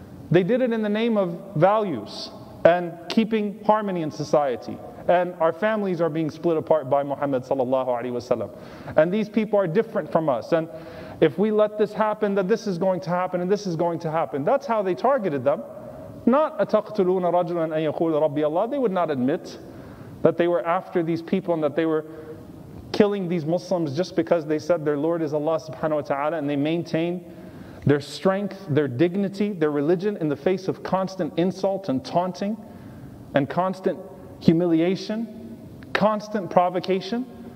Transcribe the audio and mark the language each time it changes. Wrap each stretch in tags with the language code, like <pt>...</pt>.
<en>They did it in the name of values and keeping harmony in society. And our families are being split apart by Muhammad sallallahu alaihi wasallam. And these people are different from us. And if we let this happen, that this is going to happen and this is going to happen. That's how they targeted them.</en> <ar>Not أَتَقْتُلُونَ رَجُلًا أَنْ يَقُولَ رَبِّيَ اللَّهِ.</ar> <en>They would not admit that they were after these people and that they were killing these Muslims just because they said their Lord is Allah subhanahu wa ta'ala, and they maintain their strength, their dignity, their religion in the face of constant insult and taunting and constant humiliation, constant provocation.</en>